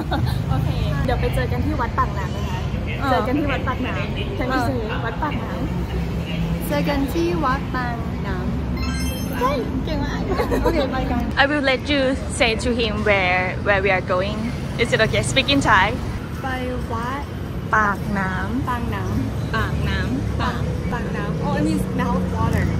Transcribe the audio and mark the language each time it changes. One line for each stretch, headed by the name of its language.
Thai: ได้ขี่มอเตอร์ไซค์ใช่
Chinese: 但是你不是骑你不用骑他他给你骑但是你坐在他后面嗯
Thai: กลัวไหม ไม่กลัวชอบไหมชอบแต่กลัวนิดหน่อยนะโอเคเดี๋ยวไปเจอกันที่วัดปากน้ำนะคะ เจอกันที่วัดปากน้ำเจอกันที่วัดปากน้ำเจอกันที่วัดปากน้ำเก่งมากโอเคไปกัน
English: I will let you say to him where we are going Is it okay Speak in Thai
Thai: ไปวัดปากน้ำ
English: Oh it means now water